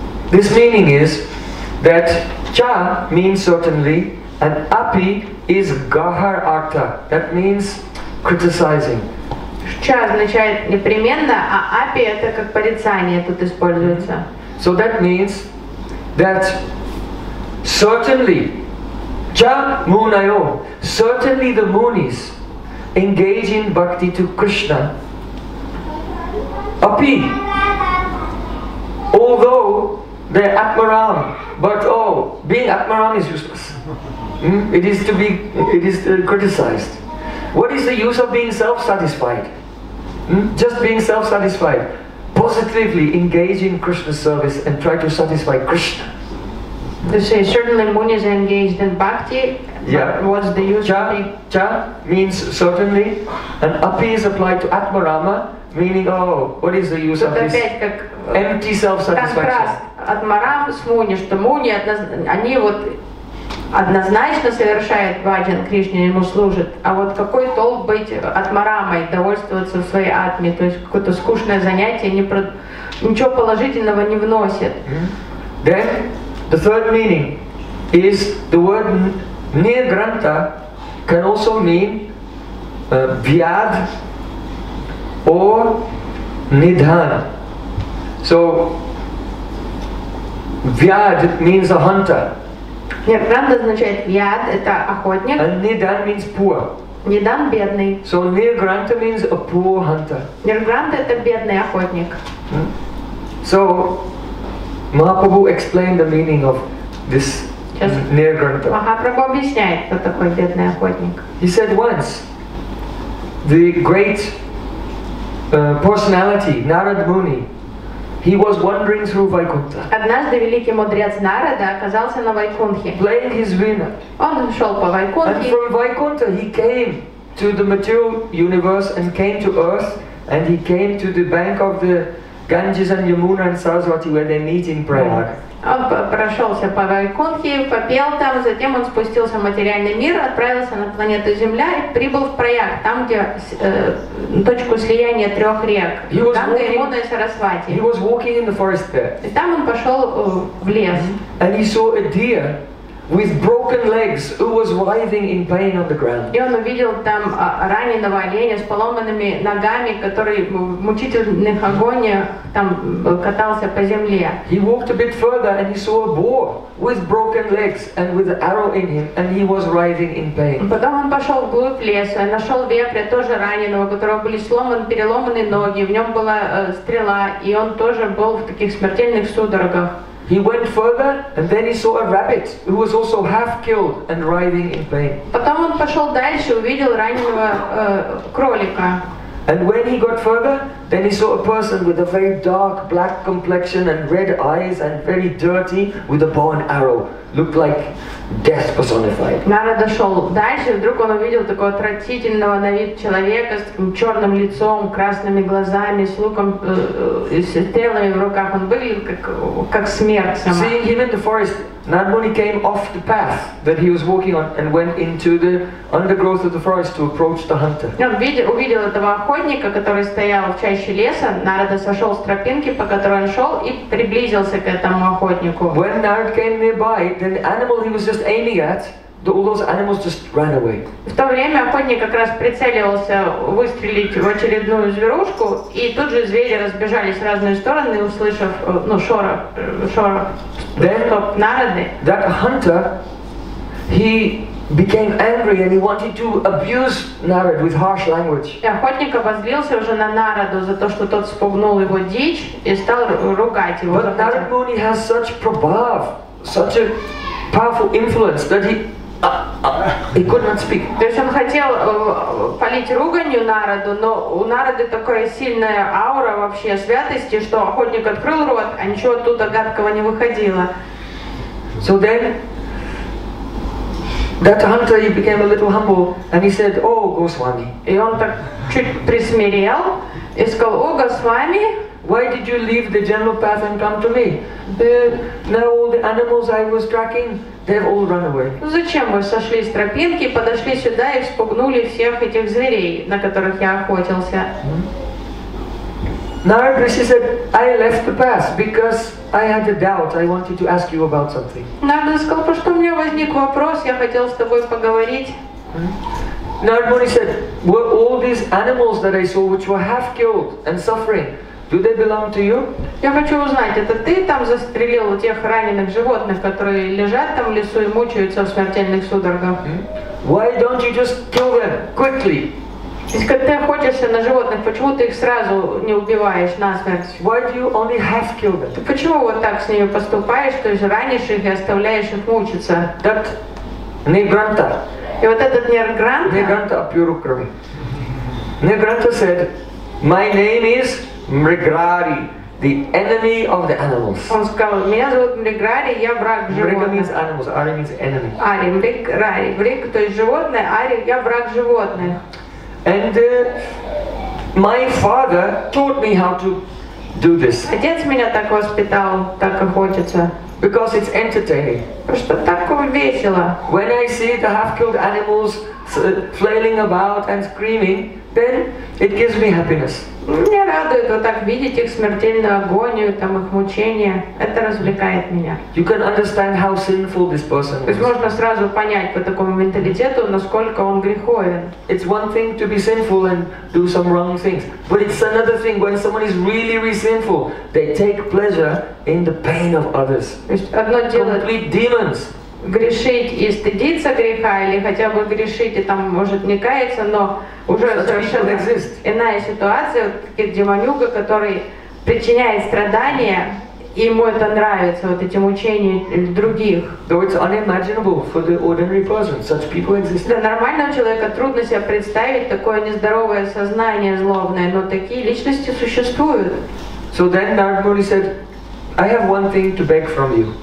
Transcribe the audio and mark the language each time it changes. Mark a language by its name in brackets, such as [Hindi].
[English] This meaning is that cha means certainly and api is gahar artha. That means criticizing. [Russian] Cha означает непременно, а api это как порицание тут используется. [English] So that means that certainly cha munayo, certainly the munis engage in bhakti to Krishna. Api, although they're atmaram, but oh, being atmaram is useless. It is criticized. What is the use of being self-satisfied? Just being self-satisfied, positively engage in Krishna's service and try to satisfy Krishna. They say certainly munis are engaged in bhakti. Yeah. What's the use? Cha means certainly, and api is applied to atmarama, meaning oh, what is the use [Russian] тут [English] of this? Empty self-satisfaction. [Russian] Atmaram с муни, что муни они вот однозначно совершают баджан Кришне, ему служат. А вот какой толк быть атмарамой, довольствоваться в своей атме, то есть какое-то скучное занятие, ничего положительного не вносит. [English] Then the third meaning is the word nirgrantha can also mean vyad or nidhan. So vyad means a hunter. [Russian] Nirgrantha означает vyad, это охотник. [English] And nidhan means poor. [Russian] Nidhan бедный. [English] So nirgrantha means a poor hunter. [Russian] Nirgrantha это бедный охотник. [English] So Mahaprabhu explained the meaning of this nirgrantha. [Russian] Mahaprabhu объясняет, кто такой бедный охотник. [English] He said once, the great personality, Narad Muni, He was wandering through Vaikuntha. [Russian] Однажды великий мудрец Нарада оказался на Вайкунтхе. [English] Playing his vina. [Russian] Он шел по Вайкунтхе. [English] And from Vaikuntha he came to the material universe and came to earth and he came to the bank of the Ganges and Yamuna and Saraswati where they meet in Prayag. [Russian] Он прошелся по Вайкунтхе, попел там, затем он спустился в материальный мир, отправился на планету Земля и прибыл в Прояг, там, где точку слияния трех рек, Ганга, Ямуна и Сарасвати. [English] He was walking in the forest there. [Russian] И там он пошел в лес. [English] And he saw a deer with broken legs who was writhing in pain on the ground. [Russian] И он увидел там раненого оленя с поломанными ногами, который в мучительных агониях там катался по земле. [English] He walked a bit further and he saw a boar with broken legs and with an arrow in him and he was writhing in pain. [Russian] Потом он пошел вглубь леса и нашел вепря, тоже раненого, у которого были сломаны, переломаны ноги, в нем была стрела, и он тоже был в таких смертельных судорогах. [English] He went further, and then he saw a rabbit who was also half killed and writhing in pain. [Russian] Потом он пошел дальше, увидел раненого кролика. [English] And when he got further, then he saw a person with a very dark black complexion and red eyes and very dirty, with a bow and arrow, looked like death personified. [Russian] Нарада шел дальше, вдруг он увидел такого отвратительного на вид человека с черным лицом, красными глазами, с луком и стрелами в руках. Он выглядел как смерть сама. [English] Seeing him in the forest, Nandmuni came off the path that he was walking on and went into the undergrowth of the forest to approach the hunter. [Russian] Он увидел этого охотника, который стоял в чаще леса. Нарада сошел с тропинки, по которой он шел, и приблизился к этому охотнику. [English] When Narada came nearby, then the animal he was just aiming at, all those animals just ran away. [Russian] В то время охотник как раз прицеливался выстрелить в очередную зверушку, и тут же звери разбежались в разные стороны, услышав шорох Нарады. [English] That hunter, he became angry and he wanted to abuse Narada with harsh language. [Russian] И охотник обозлился уже на Нараду за то, что тот спугнул его дичь, и стал ругать его. [English] But Narada Muni has such prabhav, such a powerful influence that he could not speak. [Russian] То есть он хотел полить руганью Нараду, но у Нарады такая сильная аура вообще святости, что охотник открыл рот, а ничего оттуда гадкого не выходило. [English] So then that hunter he became a little humble and he said, "Oh, Goswami." [Russian] И он так чуть присмирел и сказал: "О, Госвами." [English] Why did you leave the general path and come to me? Now all the animals I was tracking, they've all run away. [Russian] Зачем вы сошли с тропинки, подошли сюда и спугнули всех этих зверей, на которых я охотился? [English] Narada Rishi said, I left the path because I had a doubt. I wanted to ask you about something. [Russian] Narada сказал, потому что у меня возник вопрос, я хотел с тобой поговорить. [English] Narada Muni said, were all these animals that I saw, which were half killed and suffering? Do they belong to you? [Russian] Я хочу узнать, это ты там застрелил тех раненых животных, которые лежат там в лесу и мучаются в смертельных судорогах? [English] Why don't you just kill them quickly? [Russian] Если ты охотишься на животных, почему ты их сразу не убиваешь насмерть? [English] Why do you only half kill them? [Russian] Ты почему вот так с ними поступаешь, то есть ранишь их и оставляешь их мучиться? [English] That Negranta. [Russian] И вот этот Negranta. [English] Negranta of pure krvi. Negranta said, my name is Mrigrari, the enemy of the animals. [Russian] Он сказал, меня зовут Мриграри, я враг животных. [English] Ари means enemy. [Russian] Ари, Мриграри, Мриг, то есть животное, Ари, я враг животных. [English] And my father taught me how to do this. [Russian] Отец меня так воспитал, так охотиться. [English] Because it's entertaining. [Russian] Потому что так весело. [English] When I see the half-killed animals flailing about and screaming, then it gives me happiness. [Russian] Меня радует вот так видеть их смертельную агонию, там их мучения. Это развлекает меня. [English] You can understand how sinful this person is. [Russian] То есть можно сразу понять по такому менталитету, насколько он греховен. [English] It's one thing to be sinful and do some wrong things, but it's another thing when someone is really, really sinful, they take pleasure in the pain of others. [Russian] То есть одно дело. [English] Complete demons. [Russian] Грешить и стыдиться греха, или хотя бы грешить и там может не каяться, но уже совершенно иная ситуация, вот таких демонюга, который причиняет страдания, и ему это нравится, вот эти мучения других. [English] Though it's unimaginable for the ordinary person, such people exist. [Russian] Для нормального человека трудно себе представить такое нездоровое сознание злобное, но такие личности существуют. [English] So then Narad Muni said, I have one thing to beg from you.